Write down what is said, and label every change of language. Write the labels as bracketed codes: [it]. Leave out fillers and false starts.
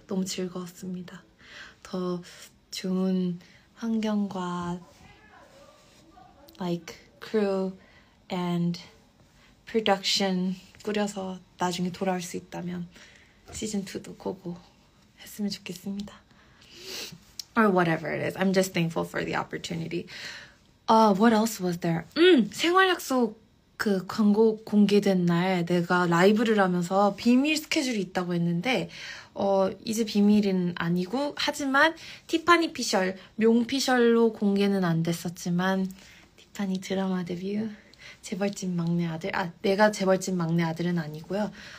[ko] 너무 즐거웠습니다. 더 좋은 환경과 [en] like crew and production [ko] 꾸려서 나중에 돌아올 수 있다면 시즌 2도 보고 했으면 좋겠습니다. [en] Or whatever it is, I'm just thankful for the opportunity. What else was there? [ko] 생활 약속 그 광고 공개된 날 내가 라이브를 하면서 비밀 스케줄이 있다고 했는데. 이제 비밀은 아니고, 하지만, 티파니 피셜, 명 피셜로 공개는 안 됐었지만, 티파니 드라마 데뷔, 재벌집 막내 아들, 내가 재벌집 막내 아들은 아니고요.